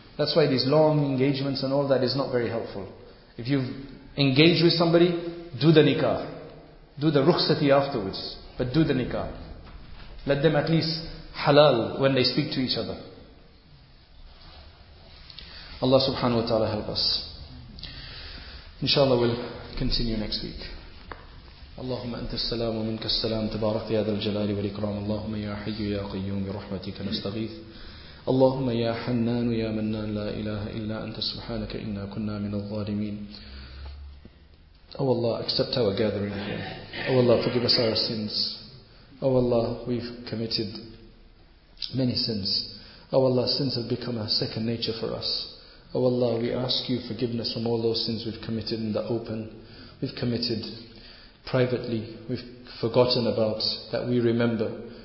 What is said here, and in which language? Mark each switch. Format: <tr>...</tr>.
<en>That's why these long engagements and all that is not very helpful. If you've engaged with somebody, do the nikah. Do the rukhsati afterwards, but do the nikah. Let them at least halal when they speak to each other. Allah subhanahu wa ta'ala help us. Inshallah, we'll continue next week.</en> <ar>اللهم أنت السلام ومنك السلام تبارك يا ذا الجلال والإكرام اللهم يا حي يا قيوم برحمتك نستغيث اللهم يا حنان يا منان لا إله إلا أنت سبحانك إنا كنا من الظالمين</ar> <en>Oh Allah, accept our gathering here. Oh Allah, forgive us our sins. Oh Allah, we've committed many sins. Oh Allah, sins have become a second nature for us. Oh Allah, we ask you forgiveness from all those sins we've committed in the open. We've committed privately, we've forgotten about, that we remember.</en>